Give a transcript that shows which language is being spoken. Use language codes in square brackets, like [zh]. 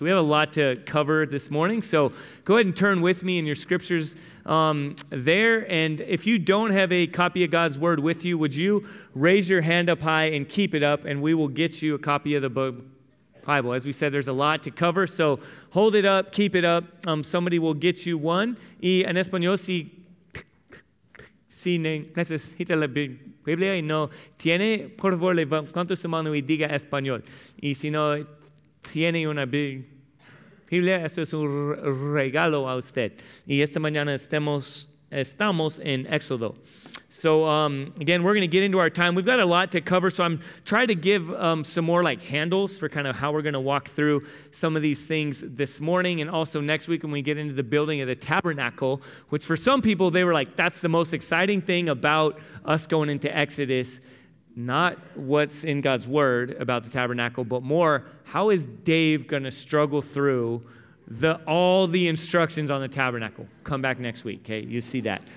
[en] So we have a lot to cover this morning. So go ahead and turn with me in your scriptures there. And if you don't have a copy of God's word with you, would you raise your hand up high and keep it up, and we will get you a copy of the Bible. As we said, there's a lot to cover. So hold it up, keep it up. Somebody will get you one. [es] Y en español, si necesita la Biblia. Biblia y no tiene, por favor, levante su mano y diga español. Y si no tiene una Biblia, eso es un regalo a usted. Y esta mañana estamos en Éxodo. [en] So, again, we're going to get into our time. We've got a lot to cover, so I'm trying to give some more, like, handles for kind of how we're going to walk through some of these things this morning and also next week when we get into the building of the tabernacle, which for some people, they were like, that's the most exciting thing about us going into Exodus, not what's in God's word about the tabernacle, but more, how is Dave going to struggle through all the instructions on the tabernacle? Come back next week, okay? You see that.